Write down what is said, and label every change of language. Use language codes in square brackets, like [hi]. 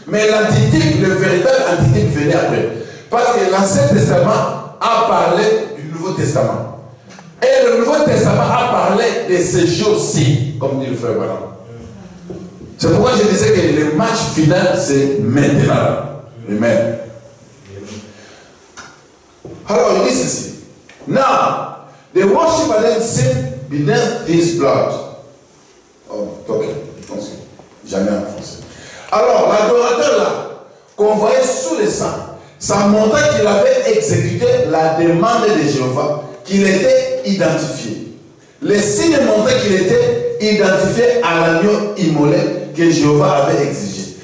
[fr] Mais l'antitype, le véritable antitype venait après. Parce que l'Ancien Testament a parlé du Nouveau Testament. Et le Nouveau Testament a parlé de ces choses-ci, comme dit le frère Branham. C'est pourquoi je disais que le match final, c'est maintenant. Amen. Alors, il dit ceci. [en] Now, the worship of the sin beneath his blood. [fr] Oh, ok. Jamais en français. Alors, l'adorateur là, qu'on voyait sous le sang, ça montrait qu'il avait exécuté la demande de Jéhovah, qu'il était identifié. Le signe montrait qu'il était identifié à l'agneau immolé que Jéhovah avait exigé.